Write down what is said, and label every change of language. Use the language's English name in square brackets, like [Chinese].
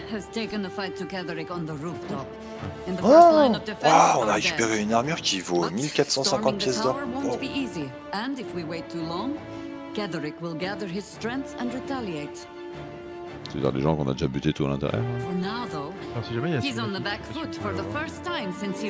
[English] has taken a fight to Catherick on the rooftop. In the first line of defense. [French] Oh, on a récupéré une armure qui vaut 1450 pièces d'or. [English] And if we wait too long, Catherick will gather his strength and retaliate. [French] C'est-à-dire des gens qu'on a déjà buté tout à l'intérieur. Alors, si jamais il y a [English] he's on the back foot for the first time since he